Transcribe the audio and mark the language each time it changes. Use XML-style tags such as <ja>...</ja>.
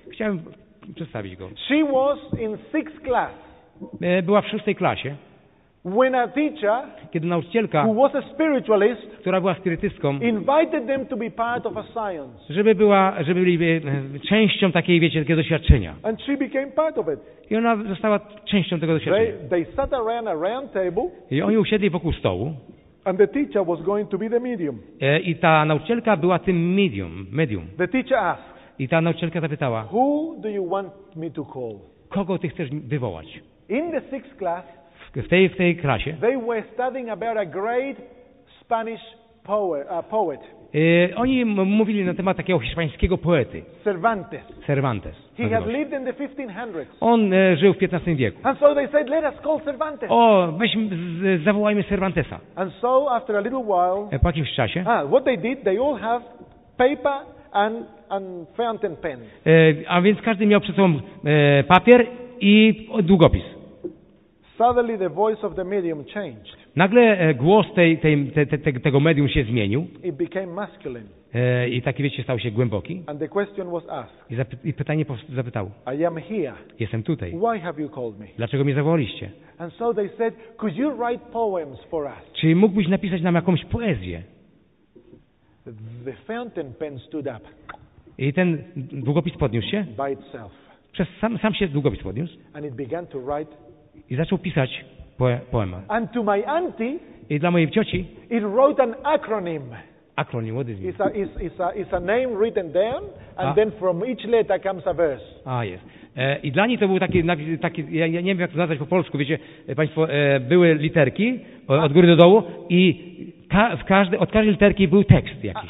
<pl>Chciałem przedstawić go.</pl> <en>She was in sixth class.</en> <pl>Była w szóstej klasie.</pl> <en>When a teacher,</en> <pl>kiedy nauczycielka,</pl> <en>who was a spiritualist,</en> <pl>która była spirytystką,</pl> <en>invited them to be part of a science.</en> <pl>Żeby byli częścią takiej, wiecie, takiego doświadczenia.</pl> <en>And she became part of it.</en> <pl>I ona została częścią tego doświadczenia.</pl> <en>They sat around a round table.</en> <pl>I oni usiedli wokół stołu.</pl> <en>And the teacher was going to be the medium.</en> <pl>I ta nauczycielka była tym medium.</pl> <en>The teacher asked.</en> <pl>I ta nauczycielka zapytała,</pl> <en>who do you want me to call?</en> <pl>Kogo ty chcesz wywołać?</pl> <en>In the sixth class,</en> <pl>w tej klasie,</pl> <en>they were studying about a great Spanish poet.</en> <pl>Oni mówili na temat takiego hiszpańskiego poety.</pl> <en>Cervantes. He had lived in the 1500s.</en> <pl>On żył w 15 wieku.</pl> <en>And so they said, let us call Cervantes.</en> <pl>O, weźmy, zawołajmy Cervantesa.</pl> <en>And so after a little while,</en> <pl>po jakimś czasie,</pl> <en>what they did, they all have paper and fountain pen.</en> <pl>A więc każdy miał przed sobą papier i długopis.</pl> <en>Suddenly the voice of the medium changed.</en> <pl>Nagle głos tego medium się zmienił.</pl> <en>It became masculine.</en> <pl>I taki, wiecie, stał się głęboki.</pl> <en>And the question was asked.</en> <pl>I pytanie zapytał.</pl> <en>I am here.</en> <pl>Jestem tutaj.</pl> <en>Why have you called me?</en> <pl>Dlaczego mnie zawołaliście?</pl> <en>And so they said, could you write poems for us?</en> <pl>Czy mógłbyś napisać nam jakąś poezję?</pl> <en>The fountain pen stood up.</en> <pl>I ten długopis podniósł się.</pl> <en>By itself.</en> <pl>Przez sam się długopis podniósł.</pl> <en>And it began to write.</en> <pl>I zaczął pisać poema.</pl> <en>And to my auntie.</en> <pl>I dla mojej cioci.</pl> <en>It wrote an acronym. Acronym, what is it? It's a name written down, and then from each letter comes a verse. Ah, yes.</en> <pl>I dla niej to był taki, ja nie wiem, jak to nazwać po polsku, wiecie, państwo, były literki od góry do dołu i od każdej literki był tekst jakiś.</pl>